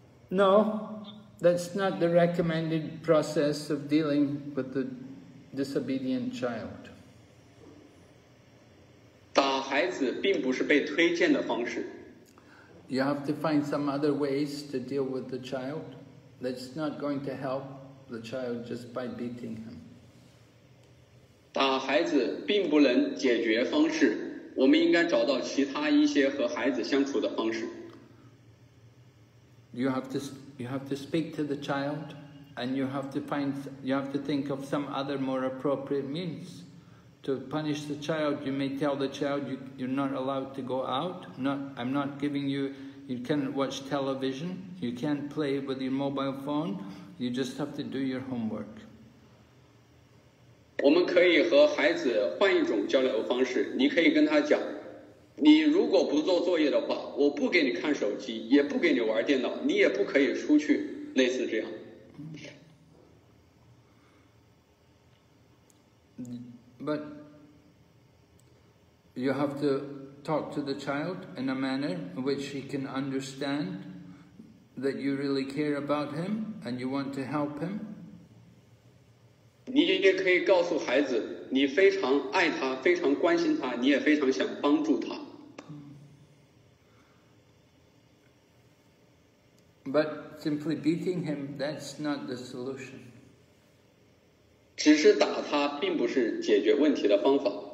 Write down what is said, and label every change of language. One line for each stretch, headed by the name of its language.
English: No, that's not the recommended process of dealing with the disobedient child.
Chinese: 打孩子并不是被推荐的方式。
English: You have to find some other ways to deal with the child. That's not going to help the child just by beating him.
Chinese: 打孩子并不能解决方式，我们应该找到其他一些和孩子相处的方式。
English: You have to speak to the child, and you have to think of some other more appropriate means to punish the child. You may tell the child you're not allowed to go out. You cannot watch television. You can't play with your mobile phone. You just have to do your homework.
Chinese: 我们可以和孩子换一种交流方式。你可以跟他讲。你如果不做作业的话，我不给你看手机，也不给你玩电脑，你也不可以出去，类似这样。
English: But you have to talk to the child in a manner in which he can understand that you really care about him and you want to help him.
Chinese: 你也可以告诉孩子，你非常爱他，非常关心他，你也非常想帮助他。
English: But simply beating him, that's not the solution.
Chinese: 只是打他并不是解决问题的方法。